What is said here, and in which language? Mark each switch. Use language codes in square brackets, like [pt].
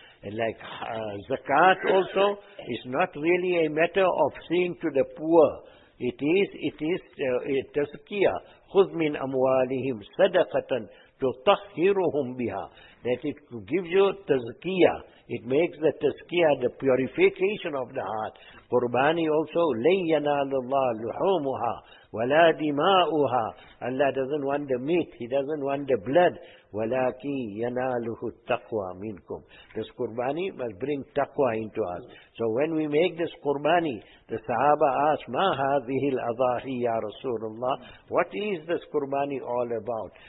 [en] And like zakat also is not really a matter of seeing to the poor. It is a tazkiyah. [ar] خُذْ مِنْ أَمْوَالِهِمْ صَدَقَةً تُطَحِّرُهُمْ بِهَا. [en] That it gives you tazkiyah. It makes the tazkiyah, the purification of the heart. Qurbani also, [ar] لَنْ يَنَالُ اللَّهُ لُحُومُهَا وَلَا دِمَاؤُهَا. [en] Allah doesn't want the meat, He doesn't want the blood. [ar] وَلَكِي يَنَالُهُ التَّقْوَى مِنْكُمْ. [en] This Qurbani must bring taqwa into us. So when we make this Qurbani, the Sahaba asked, [ar] مَا هَذِهِ الْأَضَاحِي يَا رَسُولُ اللَّهِ. [en] What is this Qurbani all about?